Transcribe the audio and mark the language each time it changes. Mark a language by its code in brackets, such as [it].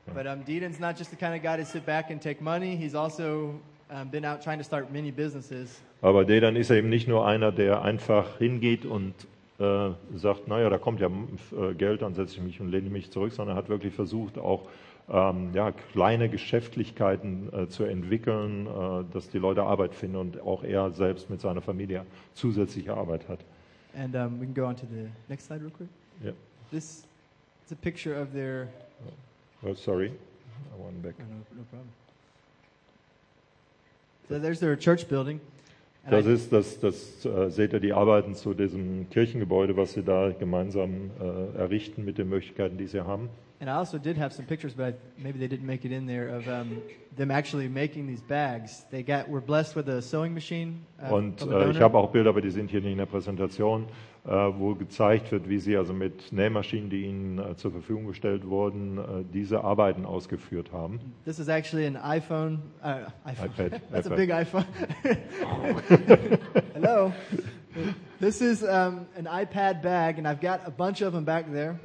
[en] But Deedon's not just the kind of guy to sit back and take money, he's also been out trying to start many businesses. [de] Aber Deedon ist eben nicht nur einer, der einfach hingeht und sagt, naja, da kommt ja Geld, dann setze ich mich und lehne mich zurück, sondern hat wirklich versucht, auch kleine Geschäftlichkeiten zu entwickeln, dass die Leute Arbeit finden und auch er selbst mit seiner Familie zusätzliche Arbeit hat. [en] And we can go on to the next slide real quick. Yeah. This is a picture of their... Oh, sorry, I went back. No problem. So there's their church building. [de] Das ist das, das seht ihr, die Arbeiten zu diesem Kirchengebäude, was sie da gemeinsam errichten mit den Möglichkeiten, die sie haben. [en] And I also did have some pictures, but maybe they didn't make it in there, of them actually making these bags. They got, were blessed with a sewing machine. [de] Ich habe auch Bilder, aber die sind hier nicht in der Präsentation, wo gezeigt wird, wie sie also mit Nähmaschinen, die ihnen zur Verfügung gestellt wurden, diese Arbeiten ausgeführt haben. [en] This is actually an iPhone. iPad. That's iPad. A big iPhone. Hello. This is an iPad bag, and I've got a bunch of them back there.